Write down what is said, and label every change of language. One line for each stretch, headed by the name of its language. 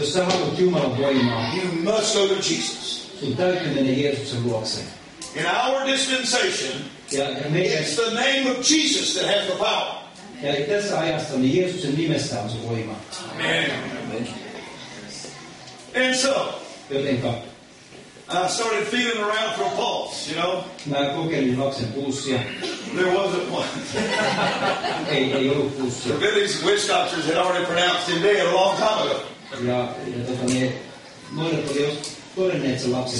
Finnish: jos sä haluat Jumalan voimaa,
English: you must go to Jesus.
Finnish: Sun täytyy mennä Jeesuksen luokse.
English: In our dispensation, it's the name of Jesus that has the power.
Finnish: Ja tässä ajassa niin Jeesuksen nimessä on se voima.
English: Amen. And so,
Finnish: jotenka.
English: I started feeling around for a pulse, you know.
Finnish: Mä kokeilin lapsen pulssia.
English: There wasn't one.
Finnish: Ei ollut pulssia.
English: The village witch doctors had already pronounced him dead a long time ago.
Finnish: Ja noidat oli jo todenneet sen lapsen.